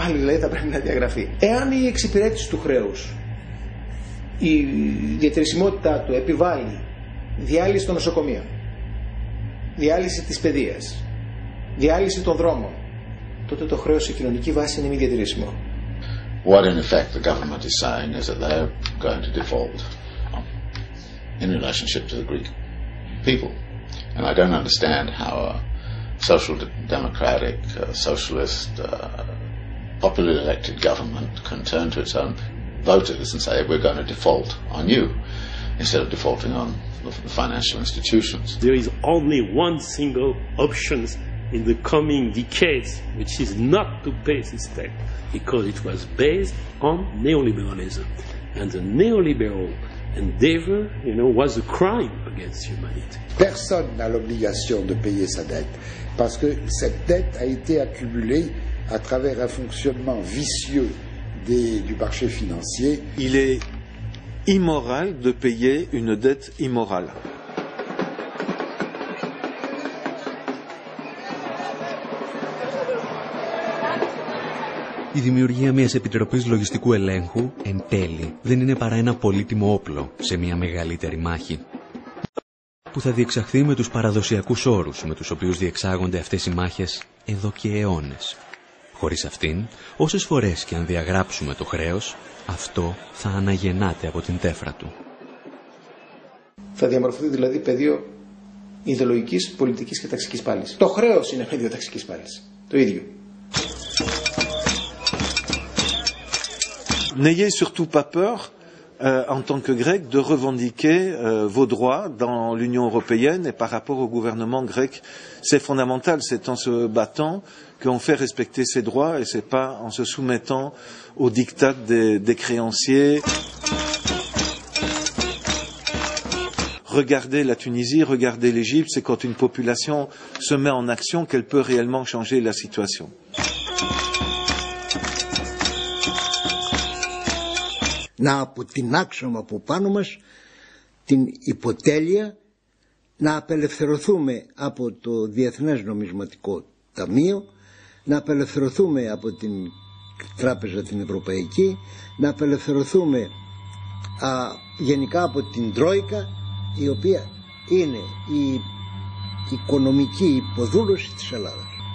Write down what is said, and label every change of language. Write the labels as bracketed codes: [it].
[el] Πάλι δηλαδή θα πρέπει να διαγραφεί. Εάν η εξυπηρέτηση του χρέους, η διατηρησιμότητά του επιβάλλει διάλυση των νοσοκομείων, διάλυση της παιδείας, διάλυση των δρόμων, τότε το χρέος σε κοινωνική βάση είναι μη διατηρήσιμο. [en] What in effect the government is saying is that they are going to default in relationship to the Greek people. And I don't understand how a social democratic, socialist, popularly elected government can turn to its own voters and say we're going to default on you instead of defaulting on the financial institutions. There is only one single option in the coming decades, which is not to pay this debt, because it was based on neoliberalism. And the neoliberal endeavor, you know, was a crime against humanity. [fr] Personne n'a l'obligation de payer sa dette, parce que cette dette a été accumulée à travers un fonctionnement vicieux du marché financier. Il est immoral de payer une dette immorale. [el] Η δημιουργία μιας Επιτροπής Λογιστικού Ελέγχου, εν τέλει, δεν είναι παρά ένα πολύτιμο όπλο σε μια μεγαλύτερη μάχη, που θα διεξαχθεί με τους παραδοσιακούς όρους με τους οποίους διεξάγονται αυτές οι μάχες εδώ και αιώνες. Χωρίς αυτήν, όσες φορές και αν διαγράψουμε το χρέος, αυτό θα αναγεννάται από την τέφρα του. Θα διαμορφωθεί δηλαδή πεδίο ιδεολογικής, πολιτικής και ταξικής πάλης. Το χρέος είναι πεδίο ταξικής πάλης. Το ίδιο. [fr] N'ayez surtout pas peur, en tant que Grec, de revendiquer vos droits dans l'Union européenne et par rapport au gouvernement grec. C'est fondamental, c'est en se battant qu'on fait respecter ses droits et c'est pas en se soumettant aux diktats des créanciers. Regardez la Tunisie, regardez l'Égypte, c'est quand une population se met en action qu'elle peut réellement changer la situation. [el] Να αποτινάξουμε από πάνω μας την υποτέλεια, να απελευθερωθούμε από το Διεθνές Νομισματικό Ταμείο, να απελευθερωθούμε από την Τράπεζα την Ευρωπαϊκή, να απελευθερωθούμε γενικά από την Τρόικα, η οποία είναι η οικονομική υποδούλωση της Ελλάδας.